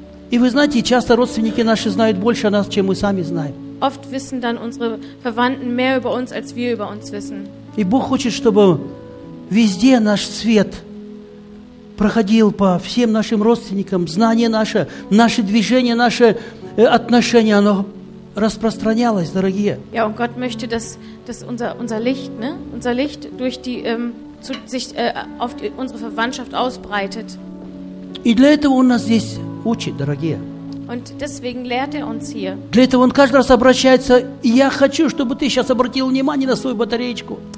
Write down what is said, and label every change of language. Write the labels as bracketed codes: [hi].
[ru] И вы знаете, часто родственники наши знают больше о нас, чем мы сами знаем. [de] Oft wissen dann unsere Verwandten mehr über uns, als wir über uns wissen. [ru] И Бог хочет, чтобы везде наш свет проходил по всем нашим родственникам. Знание наше, наше движение, наше отношение, оно распространялось, дорогие. [de] Ja, und Gott möchte, dass unser Licht, ne? Unser Licht durch die sich auf die, unsere Verwandtschaft ausbreitet. [ru] И для этого Он нас здесь учит, дорогие. [de] Und deswegen lehrt uns hier. [ru] Для этого Он каждый раз обращается: «Я хочу, чтобы ты сейчас обратил внимание на свою батареечку».